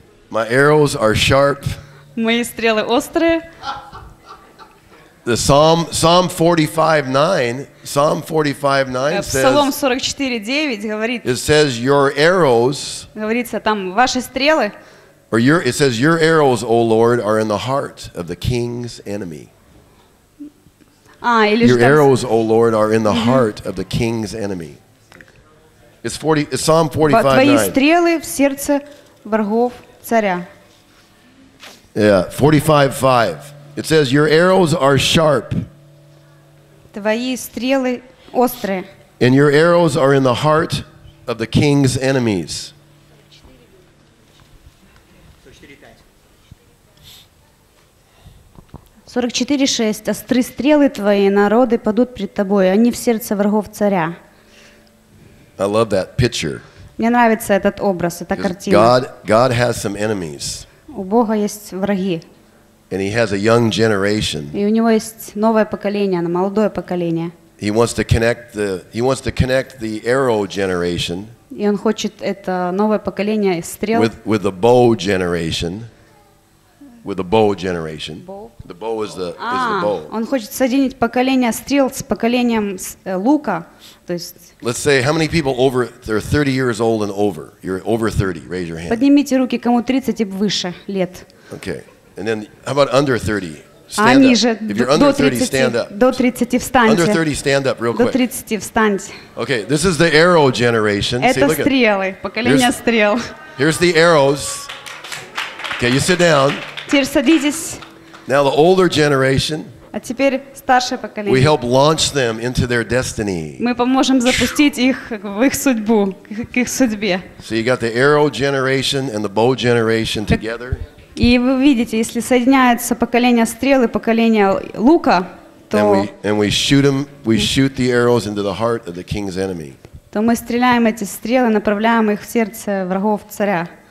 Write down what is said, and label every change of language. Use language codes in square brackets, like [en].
[en] My arrows are sharp. [ru] Мои стрелы острые. [en] The Psalm 45:9, Psalm 45:9 says. [ru] Псалом 44:9 говорит. [en] It says your arrows. [ru] Говорится там ваши стрелы. [en] Or it says your arrows, O Lord, are in the heart of the king's enemy. Your arrows, O Lord, are in the heart of the king's enemy. It's Psalm 45:9. [ru] Твои стрелы в сердце врагов царя. [en] Yeah, 45:5. It says your arrows are sharp. [ru] Твои стрелы острые. [en] And your arrows are in the heart of the king's enemies. [ru] Сорок четыре шесть. Остры стрелы твои, народы падут пред тобой, они в сердце врагов царя. [en] I love that picture. [ru] Мне нравится этот образ, эта картина. [en] God has some enemies. [ru] У Бога есть враги. [en] And he has a young generation. [ru] И у него есть новое поколение, молодое поколение. [en] He wants to connect the arrow generation. [ru] И он хочет это новое поколение стрел. [en] With the bow generation. with the bow generation. The bow is the bow. [ru] Он хочет соединить поколение стрел с поколением лука. То есть. [en] Let's say how many people over they're 30 years old and over. You're over 30. Raise your hand. [ru] Поднимите руки, кому 30 и выше лет. [en] Okay. And then how about under 30? Stand up. If you're under 30, stand up. [ru] До 30 встаньте. [en] Under 30, stand up real quick. [ru] До 30 встаньте. [en] Okay, this is the arrow generation. [ru] Это стрелы, поколение стрел. [en] Here's the arrows. Okay, you sit down. [ru] Теперь садитесь. [en] Now the older generation. [ru] А теперь старшее поколение. [en] We help launch them into their destiny. [ru] Мы поможем запустить их в их судьбу, к их судьбе. [en] So you got the arrow generation and the bow generation together. [ru] И вы видите, если соединяются поколение стрел и поколение лука, то мы стреляем эти стрелы, направляем их в сердце врагов царя.